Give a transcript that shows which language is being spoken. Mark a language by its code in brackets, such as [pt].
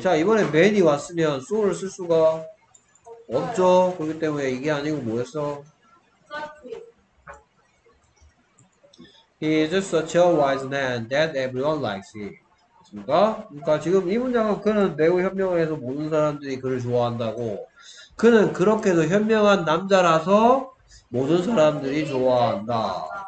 [ko] 자 이번에 맨이 왔으면 소를 쓸 수가 없죠? 그렇기 때문에 이게 아니고 뭐였어? [en] He is such a wise man that everyone likes him. [ko] 그렇습니까? 그러니까 지금 이 문장은 그는 매우 현명해서 모든 사람들이 그를 좋아한다고. 그는 그렇게도 현명한 남자라서 모든 사람들이 좋아한다.